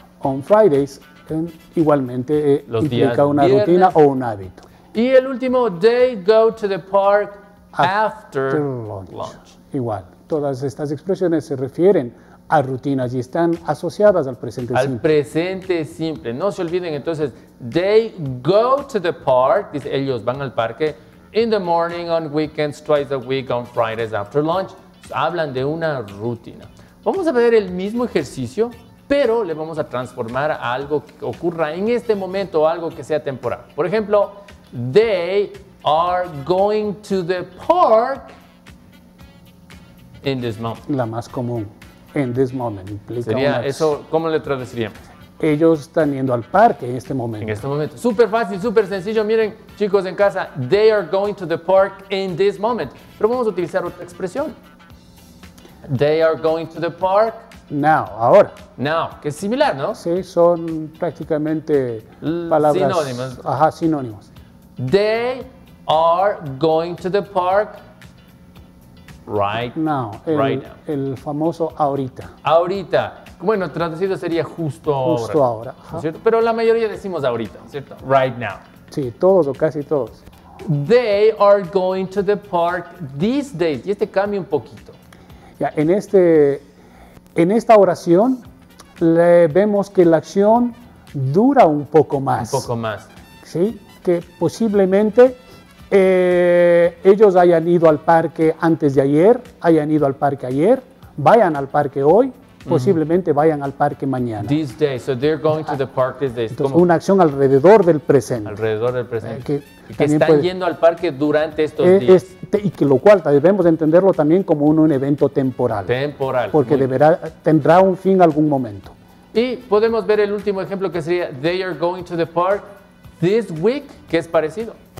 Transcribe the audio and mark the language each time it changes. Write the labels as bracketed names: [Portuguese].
[Spanish] On Fridays, igualmente implica una rutina o un hábito. Y el último, they go to the park after lunch. Igual, todas estas expresiones se refieren a rutinas y están asociadas al presente simple. Al presente simple. No se olviden, entonces, they go to the park, dice, ellos van al parque, in the morning, on weekends, twice a week, on Fridays, after lunch. Hablan de una rutina. Vamos a ver el mismo ejercicio, pero le vamos a transformar a algo que ocurra en este momento o algo que sea temporal. Por ejemplo, they are going to the park in this moment. La más común, in this moment. Sería eso, ¿cómo le traduciríamos? Ellos están yendo al parque en este momento. En este momento. Súper fácil, súper sencillo. Miren, chicos en casa, they are going to the park in this moment. Pero vamos a utilizar otra expresión. They are going to the park. [English] Now, ahora. [Spanish] Now, que es similar, ¿no? Sí, son prácticamente palabras. Sinónimos. Ajá, sinónimos. [English] They are going to the park right [Spanish] now. El famoso ahorita. Ahorita. Bueno, traducido sería justo ahora. Ahora. ¿No es cierto? Pero la mayoría decimos ahorita, ¿cierto? Right now. Sí, todos o casi todos. [English] They are going to the park these days. [Spanish] Y este cambia un poquito. Ya, en esta oración le vemos que la acción dura un poco más. Un poco más. Sí, que posiblemente ellos hayan ido al parque antes de ayer, hayan ido al parque ayer, vayan al parque hoy. Posiblemente vayan al parque mañana. [English] These days, so they're going to the park these days. [Spanish] Entonces, una acción alrededor del presente. Alrededor del presente. Que están yendo al parque durante estos días. Y que lo cual debemos entenderlo también como un evento temporal. Temporal. Porque tendrá un fin algún momento. Y podemos ver el último ejemplo que sería, they are going to the park this week, que es parecido.